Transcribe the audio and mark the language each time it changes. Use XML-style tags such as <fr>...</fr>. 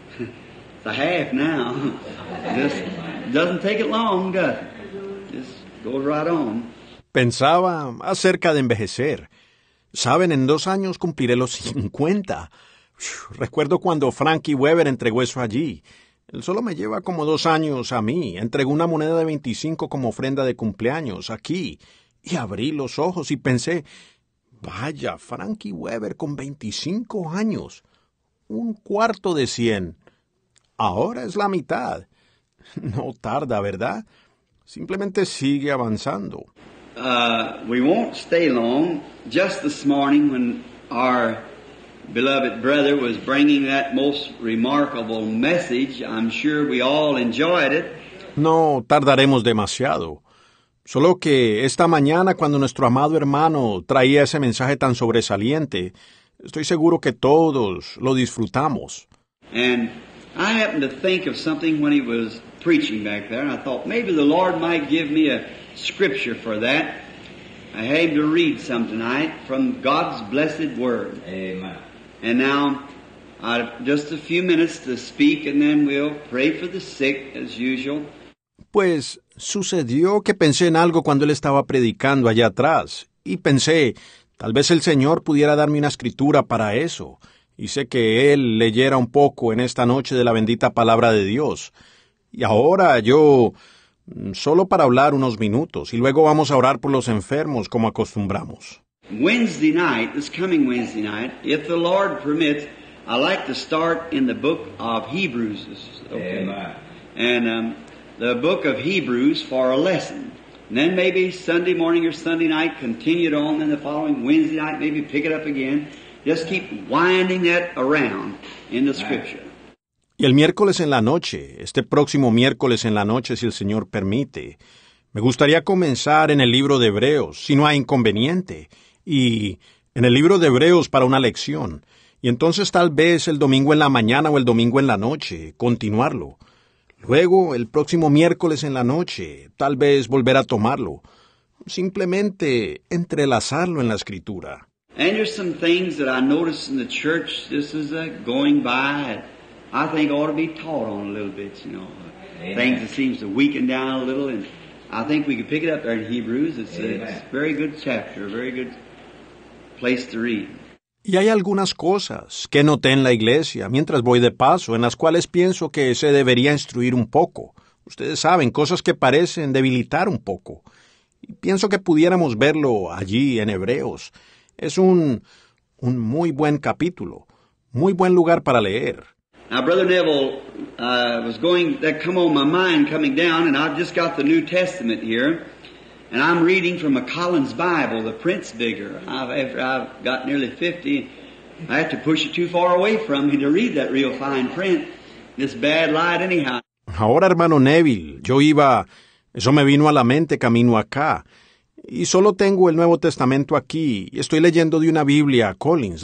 <en>It's a half now. Just doesn't take it long, does it? Just goes right on.</en> <es>Pensaba acerca de envejecer. Saben, en 2 años cumpliré los 50. Recuerdo cuando Frankie Weber entregó eso allí. Él solo me lleva como 2 años a mí. Entregó una moneda de 25 como ofrenda de cumpleaños aquí. Y abrí los ojos y pensé, vaya, Frankie Weber con 25 años. Un cuarto de 100. Ahora es la mitad. No tarda, ¿verdad? Simplemente sigue avanzando.</es> <en>We won't stay long. Just this morning when our beloved brother was bringing that most remarkable message, I'm sure we all enjoyed it.</en> <es>No tardaremos demasiado. Solo que esta mañana cuando nuestro amado hermano traía ese mensaje tan sobresaliente, estoy seguro que todos lo disfrutamos.</es> <en>And I happened to think of something when he was preaching back there, and I thought maybe the Lord might give me a scripture for that. I had to read some tonight from God's blessed word. Amen. And now, I have just a few minutes to speak, and then we'll pray for the sick as usual.</en> <es>Pues sucedió que pensé en algo cuando él estaba predicando allá atrás, y pensé, tal vez el Señor pudiera darme una escritura para eso, y sé que él leyera un poco en esta noche de la bendita palabra de Dios. Y ahora yo, solo para hablar unos minutos, y luego vamos a orar por los enfermos como acostumbramos.</es> <en>Wednesday night, this coming Wednesday night, if the Lord permits, I like to start in the book of Hebrews. Okay. Amen. And the book of Hebrews for a lesson. And then maybe Sunday morning or Sunday night, continue it on. Then the following Wednesday night, maybe pick it up again. Just keep winding that around in the scripture.</en> <es>Y el miércoles en la noche, este próximo miércoles en la noche, si el Señor permite, me gustaría comenzar en el libro de Hebreos, si no hay inconveniente, y en el libro de Hebreos para una lección. Y entonces tal vez el domingo en la mañana o el domingo en la noche, continuarlo. Luego, el próximo miércoles en la noche, tal vez volver a tomarlo. Simplemente entrelazarlo en la Escritura.</es> <en>And there's some things that I noticed in the church, this is going by, I think ought to be taught on a little bit, you know. Amen. Things that seems to weaken down a little, and I think we could pick it up there in Hebrews. It's a very good chapter, a very good place to read.</en> <es>Y hay algunas cosas que noté en la iglesia mientras voy de paso, en las cuales pienso que se debería instruir un poco. Ustedes saben, cosas que parecen debilitar un poco. Y pienso que pudiéramos verlo allí en Hebreos. Es un muy buen capítulo, muy buen lugar para leer.</es> <en>Now, Brother Neville, was going, that come on my mind coming down, and I've just got the New Testament here. And I'm reading from a Collins Bible, the Prince Bigger. After I've got nearly 50, I have to push it too far away from me to read that real fine print. This bad light anyhow.</en> <es>Ahora, hermano Neville, eso me vino a la mente camino acá. Y solo tengo el Nuevo Testamento aquí. Estoy leyendo de una Biblia, Collins.</es>